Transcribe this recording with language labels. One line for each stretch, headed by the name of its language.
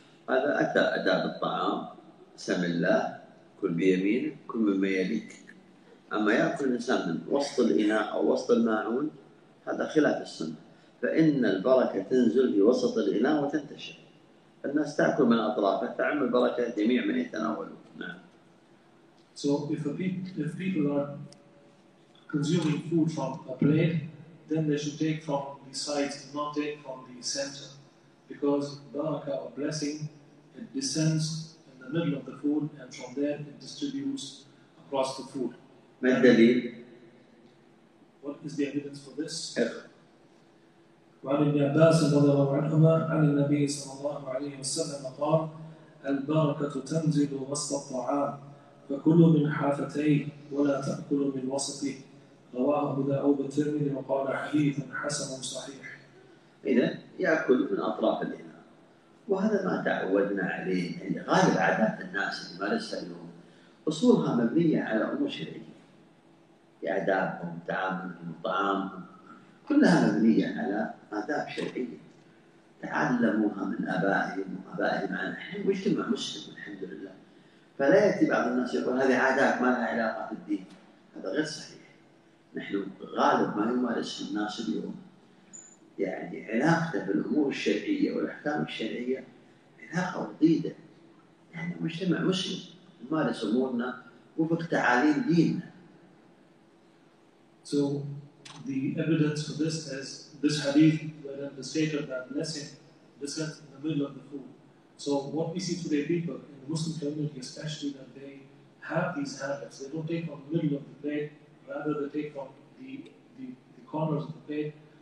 Arabic: هذا أتى أداب الطعام بسم الله كل بيمين كل مما يليك أما يأكل الإنسان من وسط الإناء أو وسط الماعون هذا خلاف السنة فإن البركة تنزل في وسط الإناء وتنتشر الناس تأكل من أطرافه تعم البركة جميع من يتناوله.
English: So if people are consuming food from a plate, then they should take from the sides, not take from the center, because baraka or blessing it descends in the middle of the food and from there it distributes across the food.
Arabic: ما الدليل؟
English: What is the evidence for this? Yeah.
Arabic: وعن ابن عباس رضي الله عنهما عن النبي صلى الله عليه وسلم قال البركة تنزل وسط الطعام فكلوا من حافتيه ولا تأكلوا من وسطه رواه أبو داود الترمذي وقال حديث حسن صحيح. إذا يأكل من أطراف الإناء وهذا ما تعودنا عليه عند غالب عادات الناس اللي مارسها اليوم أصولها مبنية على أمور شرعية في آدابهم تعاملهم طعامهم كلها مبنية على آداب شرعية تعلموها من آبائهم وآبائهم عن الحين مجتمع مسلم الحمد لله فلا يأتي بعض الناس يقول هذه عادات ما لها علاقة بالدين هذا غير صحيح نحن غالب ما يمارسه الناس اليوم يعني علاقته بالأمور الشرعية والأحكام الشرعية علاقة وديدة يعني مجتمع مسلم يمارس أمورنا وفق تعاليم ديننا.
English: So the evidence for this is this hadith where the stated that blessing descends in the middle of the food. So what we see today, people in the Muslim community especially, that they have these habits. They don't take from the middle of the plate, rather they take from the corners of the plate.